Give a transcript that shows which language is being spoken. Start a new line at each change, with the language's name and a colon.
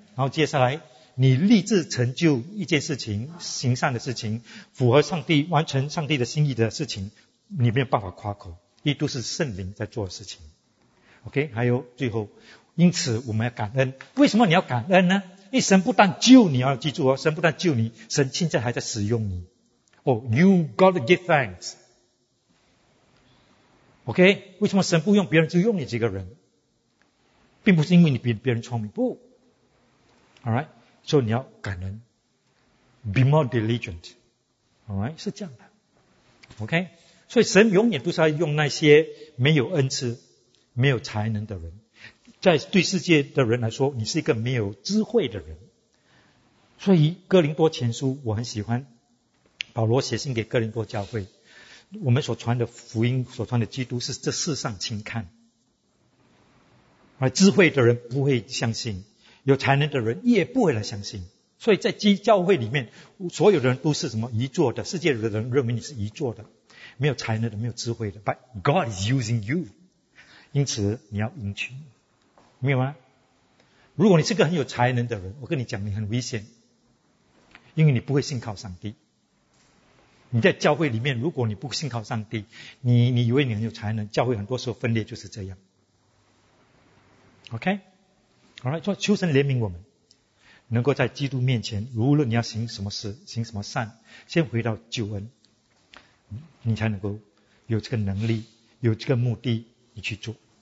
Chinese: 然后接下来，你立志成就一件事情，行善的事情，符合上帝、完成上帝的心意的事情，你没有办法夸口，一都是圣灵在做的事情。 OK， 还有最后，因此我们要感恩。为什么你要感恩呢？因为神不但救你，要记住哦，神不但救你，神现在还在使用你。
English: Oh, you gotta give thanks.
Chinese: OK， 为什么神不用别人，就用你这个人？并不是因为你比别人聪明，不。
English: All right，
Chinese: 所以你要感恩
English: ，be more diligent.
Chinese: All right， 是这样的。OK， 所以神永远都是要用那些没有恩赐、没有才能的人，在对世界的人来说，你是一个没有智慧的人。所以《哥林多前书》我很喜欢。保罗写信给哥林多教会，我们所传的福音、所传的基督是这世上轻看，而智慧的人不会相信，有才能的人也不会来相信。所以在教会里面，所有的人都是什么愚拙的，世界的人认为你是愚拙的，没有才能的，没有智慧的。
English: But God is using you，
Chinese: 因此你要迎娶，没有吗？如果你是个很有才能的人，我跟你讲，你很危险，因为你不会信靠上帝。你在教会里面，如果你不信靠上帝，你以为你很有才能，教会很多时候分裂就是这样。 OK， alright， 所以求神怜悯我们，能够在基督面前，无论你要行什么事、行什么善，先回到救恩，你才能够有这个能力、有这个目的，你去做。